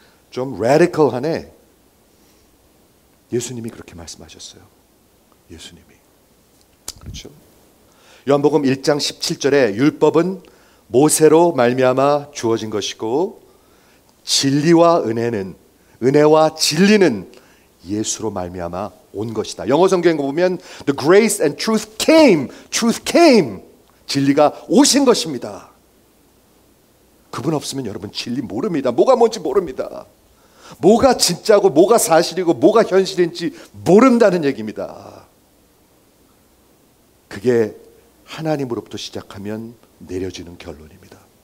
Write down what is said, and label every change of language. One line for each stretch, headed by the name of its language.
Korean: 좀 radical하네. 예수님이 그렇게 말씀하셨어요. 예수님이. 그렇죠? 요한복음 1장 17절에 율법은 모세로 말미암아 주어진 것이고 진리와 은혜는, 은혜와 진리는 예수로 말미암아 온 것이다. 영어 성경에 보면
English: the grace and truth came. Truth came.
Korean: 진리가 오신 것입니다. 그분 없으면 여러분 진리 모릅니다. 뭐가 뭔지 모릅니다. 뭐가 진짜고 뭐가 사실이고 뭐가 현실인지 모른다는 얘기입니다. 그게 하나님으로부터 시작하면 내려지는 결론입니다.